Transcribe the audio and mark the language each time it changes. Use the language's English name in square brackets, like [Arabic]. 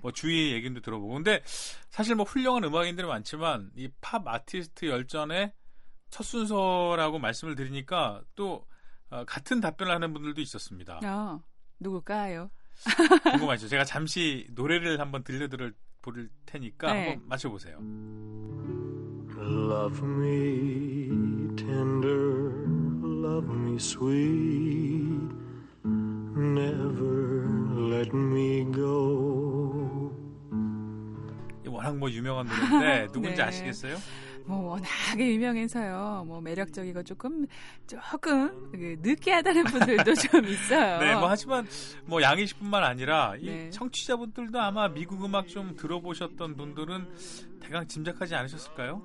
[Korean] 뭐 주위의 얘기도 들어보고 근데 사실 뭐 훌륭한 음악인들이 많지만 이 팝 아티스트 열전의 첫 순서라고 말씀을 드리니까 또 같은 답변을 하는 분들도 있었습니다. 누굴까요? 궁금하시죠? 제가 잠시 노래를 한번 들려드릴 부를 테니까 네. 한번 맞춰보세요. [English] Love me tender, love me sweet, never let me go. [Korean] 워낙 뭐 유명한 노래인데 누군지 네. 아시겠어요? 뭐 워낙에 유명해서요. 뭐 매력적이고 조금 느끼하다는 분들도 좀 있어요. 네, 뭐 하지만 뭐 양이실 뿐만 아니라 이 네. 청취자분들도 아마 미국 음악 좀 들어보셨던 분들은 대강 짐작하지 않으셨을까요?